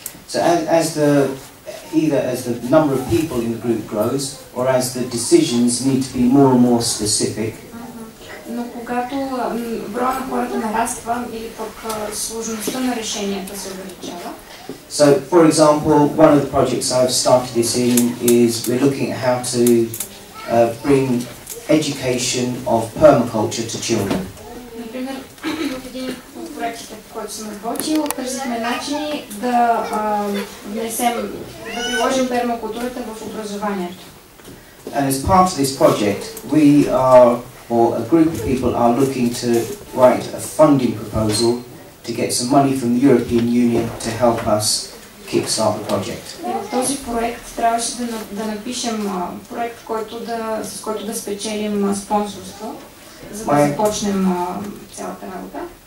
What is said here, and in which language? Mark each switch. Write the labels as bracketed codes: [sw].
[en] So as the number of people in the group grows, or as the decisions need to be more and more specific, [bg] но когато броя на хората нараства или пък сложността на решенията се увеличава. [en] So, for example, one of the projects I've started this in is we're looking at how to bring education of permaculture to children. [bg] Например, в един от проектите, в който съм работил, търсихме начини да да приложим пермакултурата в образованието. [en] And as part of this project, we are or a group of people are looking to write a funding proposal to get some money from the European Union to help us kickstart the project. [bg] Този проект трябваше да напишем проект, с който да спечелим спонсорство, за да започнем цялата работа.